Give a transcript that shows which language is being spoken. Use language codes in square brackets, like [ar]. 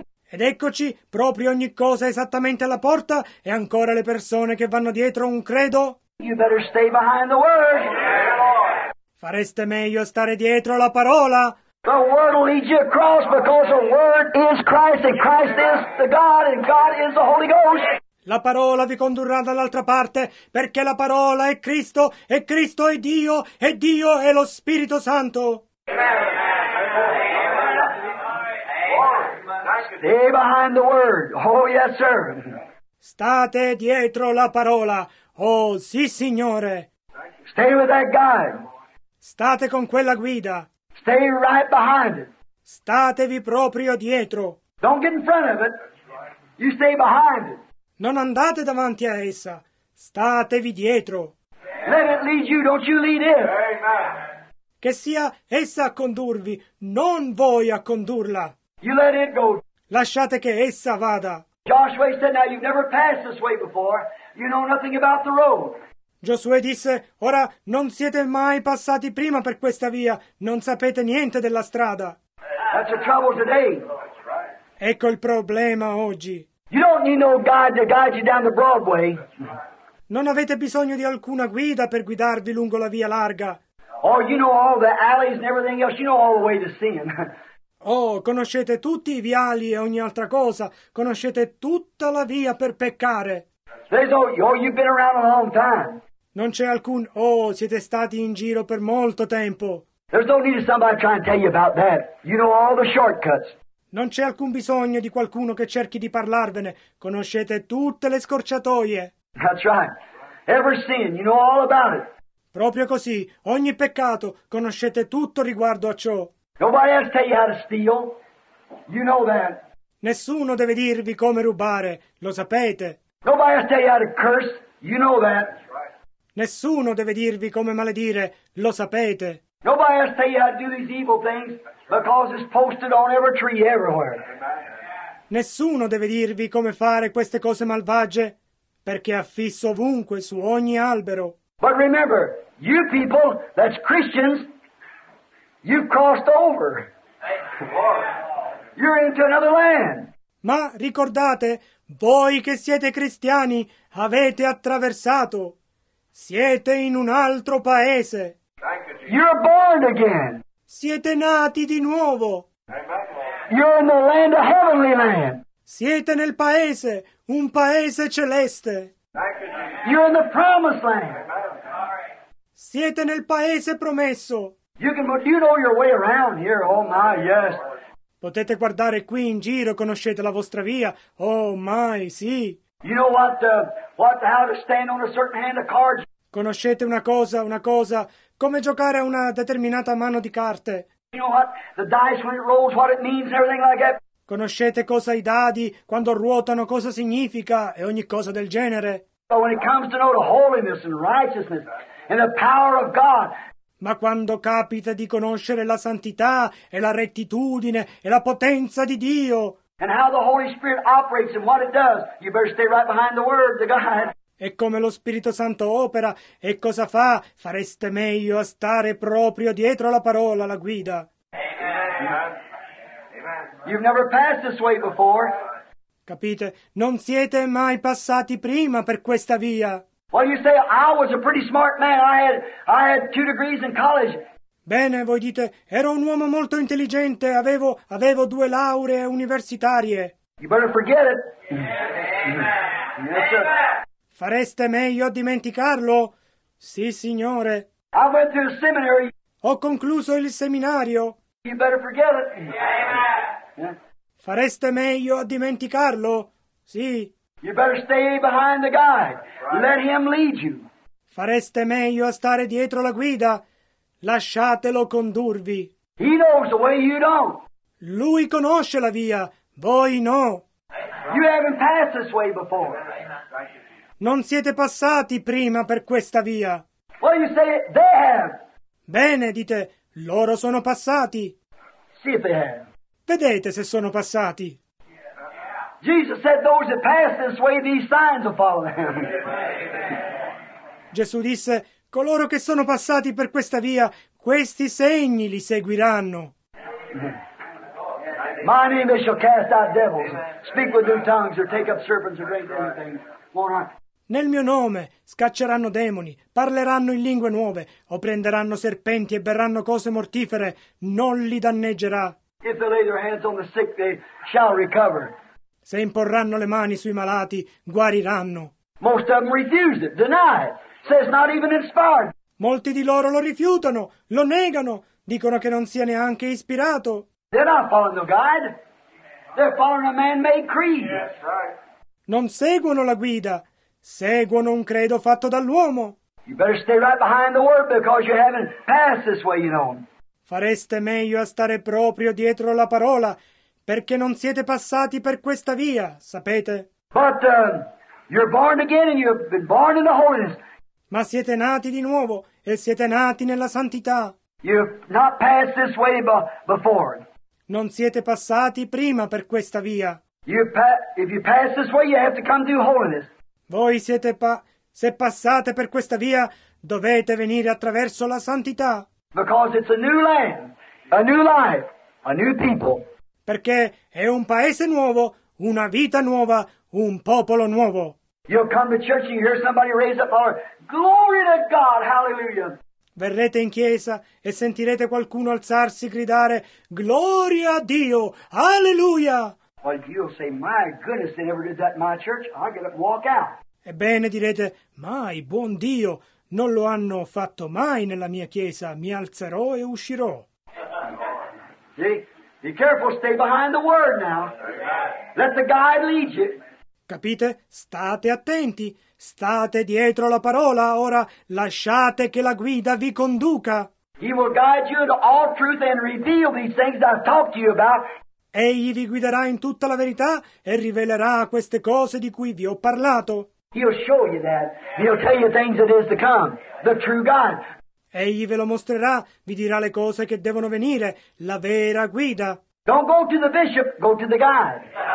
[it] Ed eccoci, proprio ogni cosa esattamente alla porta e ancora le persone che vanno dietro un credo. [en] You better stay behind the word. [it] Fareste meglio stare dietro la parola. [en] The word will lead you across because the word is Christ and Christ is the God and God is the Holy Ghost. [it] La parola vi condurrà dall'altra parte perché la parola è Cristo e Cristo è Dio e Dio è lo Spirito Santo. [en] Stay behind the word. Oh yes sir. [it] State dietro la parola. Oh sì signore. [en] Stay with that guide. [it] State con quella guida. [en] Stay right behind it. [it] Statevi proprio dietro. [en] Don't get in front of it. You stay behind it. [it] Non andate davanti a essa. Statevi dietro. [en] Let it lead you, don't you lead it. [it] Che sia essa a condurvi, non voi a condurla. [en] You let it go. [it] Lasciate che essa vada. [en] Joshua said, now you've never passed this way before. You know nothing about the road. [it] Giosuè disse, ora non siete mai passati prima per questa via, non sapete niente della strada. [en] That's a trouble today. [it] Ecco il problema oggi. [en] You don't need no guide to guide you down the Broadway. [it] Non avete bisogno di alcuna guida per guidarvi lungo la via larga. [en] Oh, you know all the alleys and everything else, you know all the way to sin. [it] Oh, conoscete tutti i viali e ogni altra cosa, conoscete tutta la via per peccare. [en] You've been around a long time. [it] Non c'è alcun oh, siete stati in giro per molto tempo. [en] There's no need of somebody trying to tell you about that. You know all the shortcuts. [it] Non c'è alcun bisogno di qualcuno che cerchi di parlarvene. Conoscete tutte le scorciatoie. [en] That's right. Every sin, you know all about it. [it] Proprio così, ogni peccato, conoscete tutto riguardo a ciò. [en] Nobody has to tell you how to steal. You know that. [it] Nessuno deve dirvi come rubare, lo sapete. [en] Nobody has to tell you how to curse. You know that. [it] Nessuno deve dirvi come maledire, lo sapete. [en] Nobody has to tell you how to do these evil things because it's posted on every tree everywhere. [it] Nessuno deve dirvi come fare queste cose malvagie perché è affisso ovunque su ogni albero. [en] But remember, you people that's Christians, you've crossed over. You're into another land. [it] Ma ricordate, voi che siete cristiani, avete attraversato. Siete in un altro paese. [en] You're born again. [it] Siete nati di nuovo. [en] You're in the land, a heavenly land. [it] Siete nel paese, un paese celeste. [en] You're in the promised land. [it] Siete nel paese promesso. [en] You know your way around here, oh my, yes. [it] Potete guardare qui in giro, conoscete la vostra via. [en] Oh my, [it] sì. [en] You know how to stand on a certain hand of cards. [it] Conoscete una cosa, come giocare a una determinata mano di carte. [en] You know what the dice when it rolls, what it means and everything like that. [it] Conoscete cosa i dadi quando ruotano, cosa significa e ogni cosa del genere. [en] But when it comes to know the holiness and righteousness and the power of God. [it] Ma quando capita di conoscere la santità e la rettitudine e la potenza di Dio. [en] And how the Holy Spirit operates and what it does, you better stay right behind the word, the guide. [it] E come lo Spirito Santo opera e cosa fa, fareste meglio a stare proprio dietro la parola, la guida. [en] Amen. You've never passed this way before. [it] Capite? Non siete mai passati prima per questa via. [en] Well, you say I was a pretty smart man. I had 2 degrees in college. [it] Bene, voi dite, ero un uomo molto intelligente, avevo 2 lauree universitarie. [en] You better forget it. Yeah. Amen. Yes, sir. [it] Fareste meglio a dimenticarlo? Sì, signore. [en] I went to a seminary. [it] Ho concluso il seminario. [en] You better forget it. Yeah. [it] Fareste meglio a dimenticarlo? Sì. [en] You better stay behind the guide. Let him lead you. [it] Fareste meglio a stare dietro la guida? Lasciatelo condurvi. [en] He knows the way, you don't. [it] Lui conosce la via, voi no. [en] You haven't passed this way before. [it] Non siete passati prima per questa via. [en] What do you say? They have. [it] Bene, dite, loro sono passati. [en] See if they have. [it] Vedete se sono passati. [en] Jesus said those that pass this way, these signs will follow them. [it] Gesù disse, coloro che sono passati per questa via, questi segni li seguiranno. [en] My name is shall cast out devils, speak with new tongues, or take up serpents, or drink anything. Won't hurt. [it] Nel mio nome scacceranno demoni, parleranno in lingue nuove, o prenderanno serpenti e berranno cose mortifere, non li danneggerà. [en] If they lay their hands on the sick, they shall recover. [it] Se imporranno le mani sui malati, guariranno. [en] Most of them refuse it, deny it. Says not even inspired. [it] Molti di loro lo rifiutano, lo negano, dicono che non sia neanche ispirato. [en] They're not following the guide. They're following a man-made creed. Yes, right. [it] Non seguono la guida. Seguono un credo fatto dall'uomo. [en] You better stay right behind the word because you haven't passed this way, you know. [it] Fareste meglio a stare proprio dietro la parola perché non siete passati per questa via, sapete? [en] But you're born again and you've been born in the holiness. [it] Ma siete nati di nuovo e siete nati nella santità. [en] You've not passed this way before. [it] Non siete passati prima per questa via. [en] If you pass this way, you have to come through holiness. [it] Voi siete se passate per questa via, dovete venire attraverso la santità. [en] Because it's a new land, a new life, a new people. [it] Perché è un paese nuovo, una vita nuova, un popolo nuovo. [en] You'll come to church and you hear somebody raise up our glory to God, hallelujah. [it] Verrete in chiesa e sentirete qualcuno alzarsi e gridare gloria a Dio, alleluia. [en] Well, you'll say, my goodness, they never did that in my church. I'll get up and walk out. [it] Ebbene, direte, mai, buon Dio, non lo hanno fatto mai nella mia chiesa. Mi alzerò e uscirò. [en] See? Be careful, stay behind the word now. Let the guide lead you. [it] Capite? State attenti. State dietro la parola. Ora lasciate che la guida vi conduca. [en] He will guide you into all truth and reveal these things I've talked to you about. [it] Egli vi guiderà in tutta la verità e rivelerà queste cose di cui vi ho parlato. [en] He'll show you that. He'll tell you things that is to come. The true God. [it] Egli ve lo mostrerà, vi dirà le cose che devono venire, la vera guida. [en] Don't go to the bishop, go to the guide.